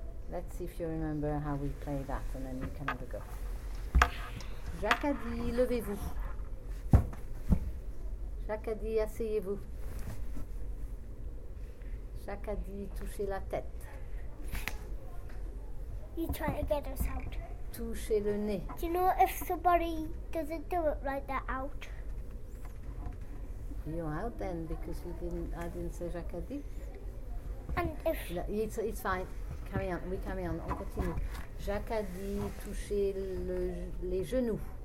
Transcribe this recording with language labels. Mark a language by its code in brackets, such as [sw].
[en] Let's see if you remember how we play that and then you can have a go. [fr] Jacques a dit, levez-vous. Jacques a dit, asseyez-vous. Jacques a dit, touchez la tête. [en] You try to get us out. [fr] Touchez le nez. [en] Do you know if somebody doesn't do it right, they're out? You out then, because you didn't. I didn't say [fr] Jacques a dit. [en] And if it's fine. Carry on. We carry on. [fr] On continue. Jacques a dit toucher les genoux.